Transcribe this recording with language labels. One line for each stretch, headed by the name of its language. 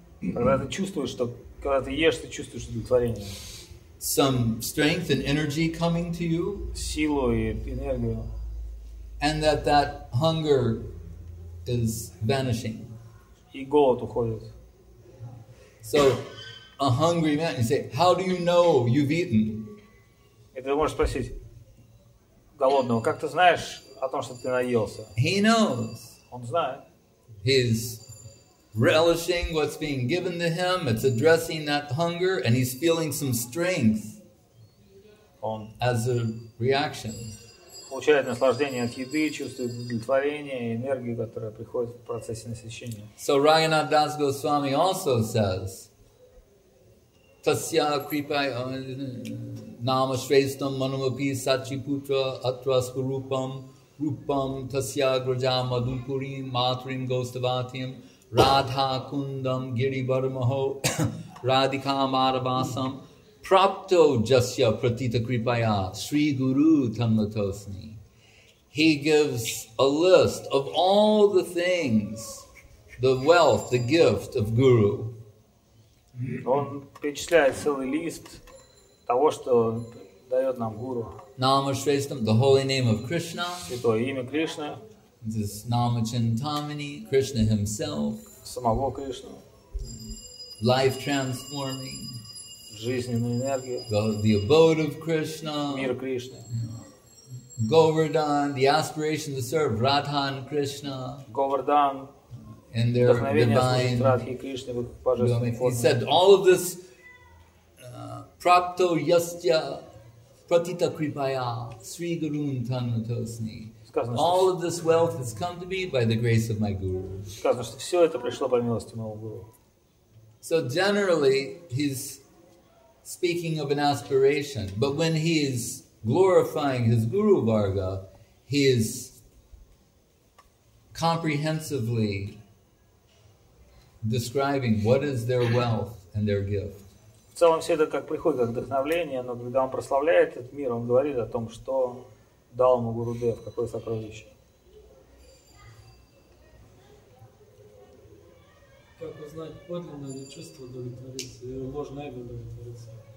Russian: Когда ты ешь, ты чувствуешь удовлетворение.
English: Some strength and energy coming to you.
Russian: Силу и энергию.
English: And that that hunger is vanishing.
Russian: И голод уходит.
English: So, a hungry man, you say, how do you know you've eaten?
Russian: И ты можешь спросить голодного, как ты знаешь о том, что ты наелся?
English: He knows.
Russian: Он знает.
English: He's relishing what's being given to him, it's addressing that hunger, and he's feeling some strength
Russian: он
English: as a reaction.
Russian: Получает наслаждение от еды, чувствует удовлетворение и энергию, которая приходит в процессе насыщения.
English: So Raghunath Das Goswami also says,
Sanskrit: Tasya kripa nama shrestam manumapi sachiputra atras gurupam rupam tasya graja madhupurim matrim gostavatim Radha kundam giri barmaho radhika maravasam prapto jasya pratita kripaya sri guru tamatosni.
English: He gives a list of all the things, the wealth, the gift of guru.
Russian: Он перечисляет целый лист того, что дает нам гуру.
Sanskrit: Nama shrestam,
English: the holy name of Krishna.
Russian: Святое имя Кришны.
English: This Nama Chintamani, Krishna himself.
Russian: Самого Кришна.
English: Life transforming.
Russian: Жизненная энергия.
English: The abode of Krishna.
Russian: Мир Кришны.
English: Govardhan, the aspiration to serve Radha and Krishna.
Russian: Govardhan.
English: And their divine. He said all of this
Sanskrit: prapto yastya pratita kripaya sri gurun tanmatosni.
English: All of this wealth has come to me by the grace of my guru.
Russian: Сказано, что все это пришло по милости моего гуру.
English: So generally he's speaking of an aspiration, but when he is glorifying his guru varga, he is comprehensively describing what is their wealth and their gift.
Russian: В целом все это как приходит как вдохновение, но когда он прославляет этот мир, он говорит о том, что дал ему Гуру Дев, какое сокровище. Как узнать, подлинно ли чувство удовлетворится, или ложное эго удовлетворится?